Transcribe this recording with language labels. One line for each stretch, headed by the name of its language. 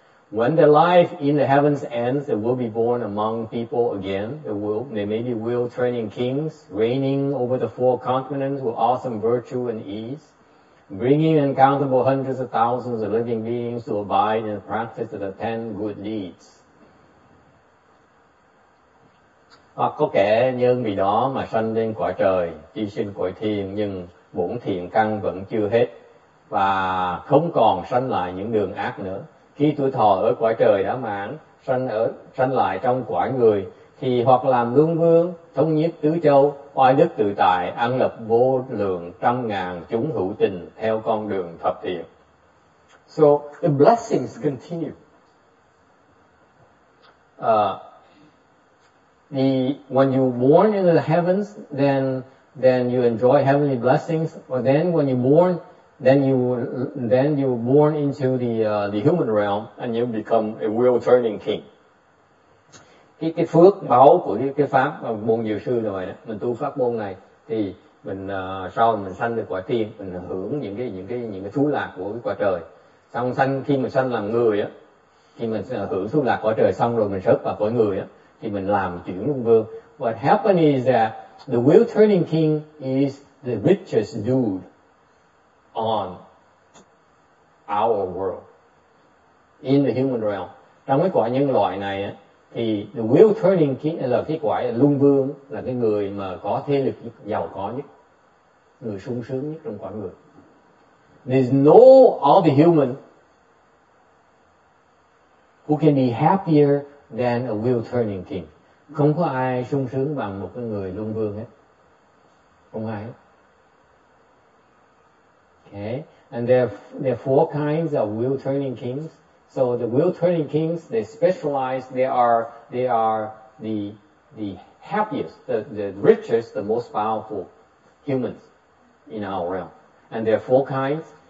English: When their life in the heavens ends, they will be born among people again. They will turn in kings, reigning over the four continents with awesome virtue and ease, bringing uncountable hundreds of thousands of living beings to abide in the practice of the 10 good deeds.
Vietnamese: Hoặc có kẻ nhân vì đó mà sanh lên cõi trời, chi sinh cõi thiên, nhưng bổn thiện căn vẫn chưa hết, và không còn sanh lại những đường ác nữa. Khi tuổi thọ ở cõi trời đã mãn, sanh lại trong cõi người, thì hoặc làm luân vương, thống nhất tứ châu, oai đức tự tại, an lập vô lượng trăm ngàn chúng hữu tình theo con đường thập thiện.
English: So the blessings continue. When you're born into the heavens, then you enjoy heavenly blessings. But then when you're born, then you're born into the human realm, and you become a wheel-turning king.
Vietnamese: Cái phước báo của cái pháp môn diệu sư rồi đó, mình tu pháp môn này thì mình sau mình sanh được quả tiên, mình hưởng những cái thú lạc của cái quả trời. Xong sanh, khi mình sanh làm người á, khi mình hưởng thú lạc quả trời xong rồi mình rớt vào cõi người á, thì mình làm chuyển luân vương.
English: What happened is that the wheel-turning king is the richest dude on our world, in the human realm.
Vietnamese: Trong cái quả nhân loại này á, thì
English: the wheel-turning king
Vietnamese: là cái quả luân vương, là cái người mà có thế lực giàu có nhất, người sung sướng nhất trong quả người.
English: There's no other human who can be happier than a wheel-turning king.
Vietnamese: Không có ai sung sướng bằng một cái người luân vương hết. Không ai.
English: Okay. And there are four kinds of wheel-turning kings. So the wheel-turning kings, they specialize. They are the happiest, the richest, the most powerful humans in our realm. And there are four kinds.